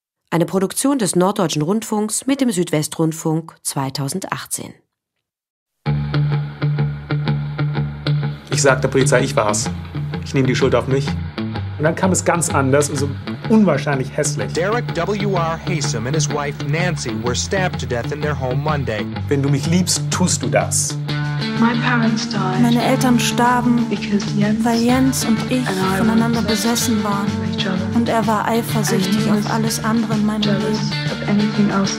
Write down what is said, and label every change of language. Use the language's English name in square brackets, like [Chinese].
[German] Eine Produktion des Norddeutschen Rundfunks mit dem Südwestrundfunk 2018. Ich sag der Polizei, ich war's. Ich nehme die Schuld auf mich. Und dann kam es ganz anders, also unwahrscheinlich hässlich. [English] Derek W.R. Haysom and his wife Nancy were stabbed to death in their home Monday. [German] Wenn du mich liebst, tust du das. Meine Eltern starben, weil Jens und ich voneinander besessen waren. Und er war eifersüchtig auf alles andere in meinem Leben.